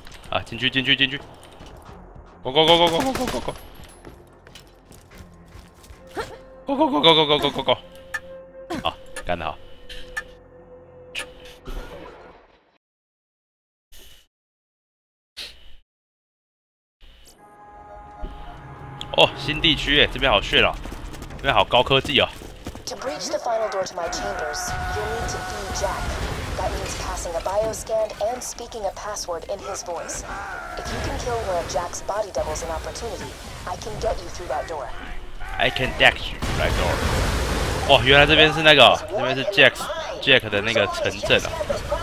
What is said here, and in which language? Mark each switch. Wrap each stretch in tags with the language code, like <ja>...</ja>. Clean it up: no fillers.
<zh>啊，进去 ！</zh> <en>Go go go go</en> <zh>go go go go go go go go go go go go go go！ 好，干得好。哦，新地区耶，这边好炫哦，这边好高科技哦。</zh> <en>To breach the final door to my chambers, you'll need to feed Jack. That means passing a bio scan and speaking a password in his voice. If you can kill one of Jack's body doubles in opportunity, I can get you through that door. I can get you through that door.</en> <zh>哇、哦，原来这边是那个、哦，这边是 Jack 的那个城镇啊、哦。</zh>